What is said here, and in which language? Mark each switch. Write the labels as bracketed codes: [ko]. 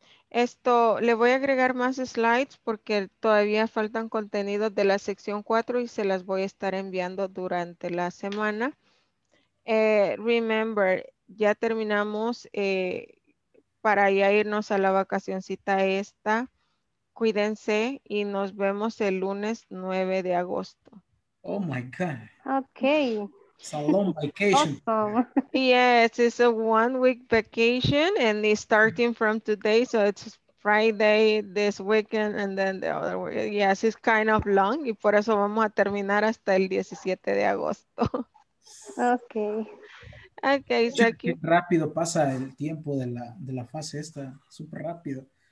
[es] Esto, le voy a agregar más slides porque todavía faltan contenidos de la sección 4 y se las voy a estar enviando durante la semana. Remember, ya terminamos para ya irnos a la vacacioncita esta. Cuídense y nos vemos el lunes 9 de agosto. [en] Oh my God. Okay. Salon vacation. Awesome. Yes, it's a 1 week vacation and it's starting from today. So it's Friday this weekend and then the other way. Yes, it's kind of long. [es] Y por eso vamos a terminar hasta el 17 de agosto. [en] Okay. Okay, so [es] qué rápido pasa el tiempo de la fase esta, súper rápido.